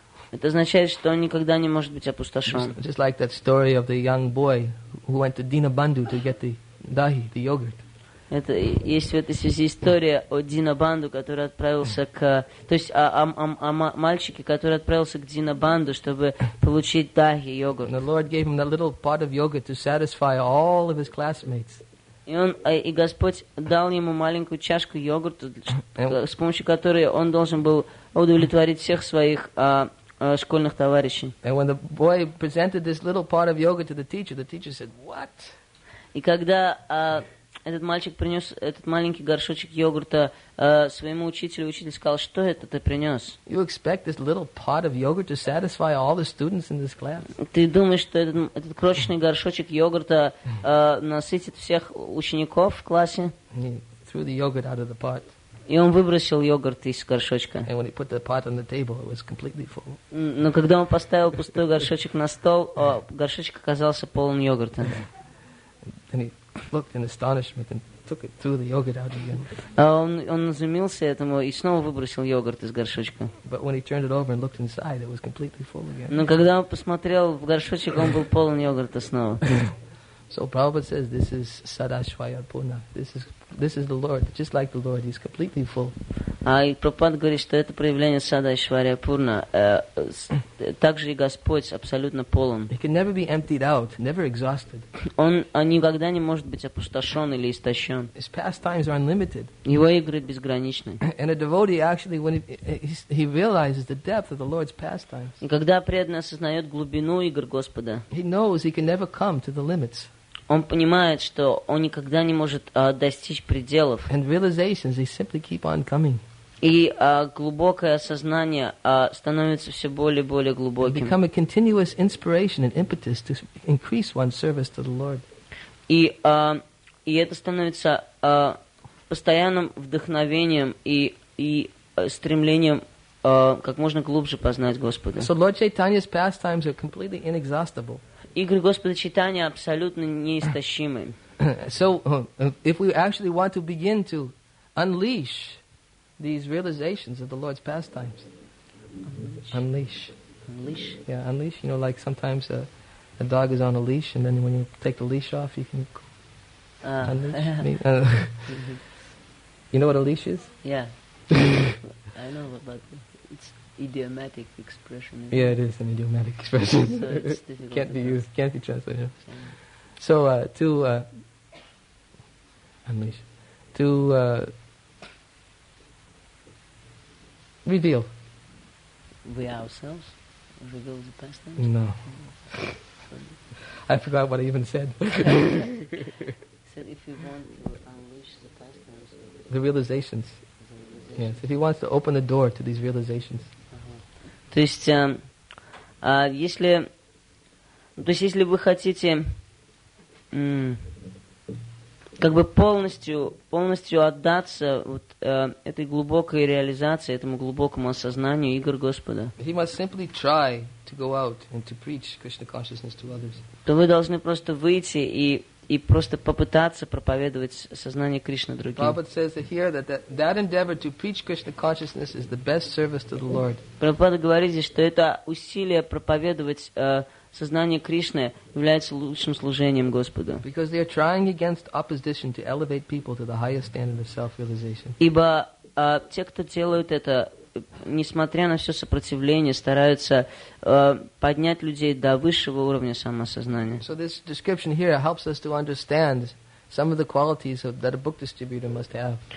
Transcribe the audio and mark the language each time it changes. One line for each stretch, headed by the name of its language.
Russian: Это означает, что он никогда не может быть опустошен.
English: Just like that story of the young boy who went to Dinabandhu to get the dahi, the yogurt.
Russian: Это есть в этой связи история о Динабанду, который отправился к... То есть о мальчике, который отправился к Динабанду, чтобы получить дахи, йогурт.
English: And the Lord gave him that little pot of yogurt to satisfy all of his classmates.
Russian: И Господь дал ему маленькую чашку йогурта, с помощью которой он должен был удовлетворить всех своих школьных товарищей.
English: And when the boy presented this little pot of yogurt to the teacher said, what?
Russian: И когда... Этот мальчик принес этот маленький горшочек йогурта своему учителю. Учитель сказал, что это ты принес?
English: You expect this little pot of yogurt to satisfy all the students in this class?
Russian: Ты думаешь, что этот крошечный горшочек йогурта насытит всех учеников в классе?
English: And he threw the yogurt out of the pot.
Russian: И он выбросил йогурт из горшочка.
English: And when he put the pot on the table, it was completely full.
Russian: Но когда он поставил пустой горшочек на стол, горшочек оказался полон йогурта.
English: Looked in astonishment and took it, threw the yogurt out again.
Russian: Он изумился этому и снова выбросил йогурт из горшочка.
English: But when he turned it over and looked inside, it was completely full again.
Russian: Но когда он посмотрел в горшочек, он был полон йогурта снова.
English: So Prabhupada says, this is Sadashwaya Puna. This is the Lord, just like the Lord, he's completely full.
Russian: А и Прабхупад говорит, что это проявление Садашвария Пурна, также и Господь абсолютно полон.
English: He can never be emptied out, never exhausted.
Russian: Он никогда не может быть опустошен или истощен.
English: His pastimes are unlimited.
Russian: Его игры безграничны.
English: And a devotee actually, when he realizes the depth of the Lord's pastimes.
Russian: И когда преданный осознает глубину игр Господа.
English: He knows he can never come to the limits.
Russian: Он понимает, что он никогда не может достичь пределов.
English: And realizations, they simply keep on coming.
Russian: И глубокое осознание становится все более и более глубоким.
English: They become a continuous inspiration and impetus to increase one's service to the Lord.
Russian: И это становится постоянным вдохновением и стремлением как можно глубже познать Господа.
English: So Lord Chaitanya's pastimes are completely inexhaustible.
Russian: Игры Господа Чайтаньи абсолютно неистощимы.
English: So, if we actually want to begin to unleash these realizations of the Lord's pastimes. Unleash. Unleash? Yeah, unleash. You know, like sometimes a dog is on a leash, and then when you take the leash off, you can unleash. You know what a leash is? Yeah. I know, but it's... Idiomatic expression. Yeah, it is an idiomatic expression. So it's difficult. Can't be used. Can't be translated. Yeah. So to reveal. We ourselves reveal the past. No. I forgot what I even said. So if you want to unleash the past. The realizations. Yes. If he wants to open the door to these realizations.
Russian: То есть, если вы хотите как бы полностью отдаться вот этой глубокой реализации, этому глубокому осознанию игр Господа,
English: he must simply try to go out and to preach Krishna consciousness to others.
Russian: То вы должны просто выйти и просто попытаться проповедовать сознание Кришны другим.
English: Prabhupada says here that endeavor to preach Krishna consciousness is the best service to the Lord.
Russian: Prabhupada говорит здесь, что это усилие проповедовать сознание Кришны является лучшим служением Господу.
English: Because they are trying against opposition to elevate people to the highest standard of self-realization.
Russian: Ибо те, кто делают это, несмотря на все сопротивление, стараются поднять людей до высшего уровня самосознания.
English: So this description here helps us to understand some of the qualities that a book distributor must have.